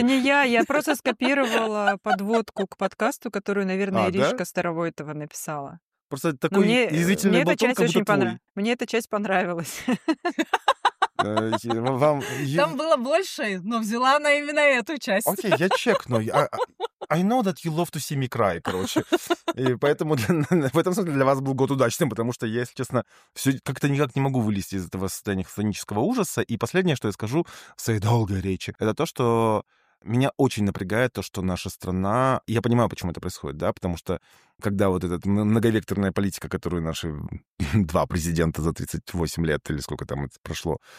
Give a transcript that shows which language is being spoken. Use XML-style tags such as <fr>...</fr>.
<ru>Это не я просто скопировала подводку к подкасту, которую, наверное, Иришка, да? Старовойтова написала. Просто такой язвительный болтон, как будто очень твой. Мне эта часть понравилась. Там было больше, но взяла она именно эту часть. Окей, я чекну.</ru> <en>I know that you love to see me cry, короче.</en> <ru>И поэтому в этом смысле для вас был год удачным, потому что я, если честно, все как-то никак не могу вылезти из этого состояния хтонического ужаса. И последнее, что я скажу в своей долгой речи, это то, что... Меня очень напрягает то, что наша страна... Я понимаю, почему это происходит, да, потому что когда вот эта многовекторная политика, которую наши 2 президента за 38 лет или сколько там это прошло,</ru>